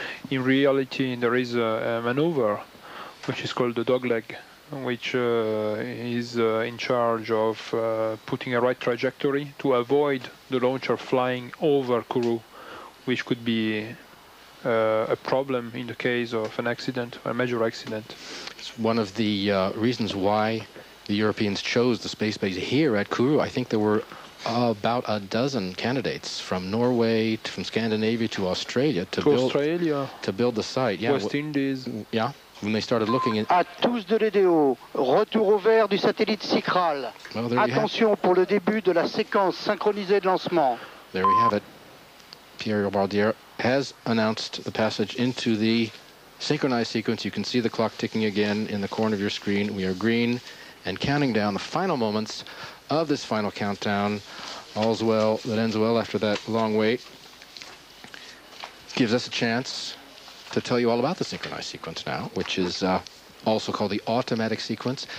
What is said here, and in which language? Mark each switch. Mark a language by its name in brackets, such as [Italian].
[English] In reality, there is a maneuver, which is called the dogleg, which is in charge of putting a right trajectory to avoid the launcher flying over Kourou, which could be a problem in the case of an accident, a major accident. It's one of the reasons why the Europeans chose the space base here at Kourou. I think there were about a dozen candidates from Norway, from Scandinavia to Australia to build the site. Yeah, West Indies. Yeah. When they started looking at... [French] À tous de l'EDO, retour au vert du satellite Sicral. Well, attention pour le début de la séquence synchronisée de lancement. [English] There we have it. Pierre Bardier has announced the passage into the synchronized sequence. You can see the clock ticking again in the corner of your screen. We are green and counting down the final moments of this final countdown. All's well that ends well after that long wait. Gives us a chance to tell you all about the synchronized sequence now, which is also called the automatic sequence.